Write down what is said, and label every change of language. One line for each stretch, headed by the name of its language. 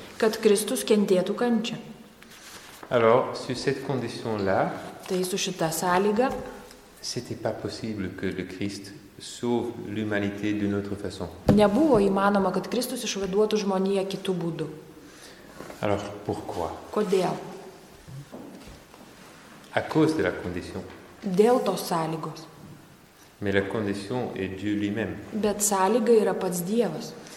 Lithuanian: Kad Kristus kentėtų kančią.
French: Alors, sur cette condition-là,
Lithuanian: tai su šita sąlyga,
French: c'était pas possible que le Christ sauve l'humanité d'une autre façon.
Lithuanian: Nebuvo įmanoma, kad Kristus išvaduotų žmoniją kitų būdų.
French: Alors, pourquoi?
Lithuanian: Kodėl?
French: À cause de la condition.
Lithuanian: Dėl tos sąlygos.
French: Mais la condition est Dieu lui-même.
Lithuanian: Bet sąlyga yra pats Dievas.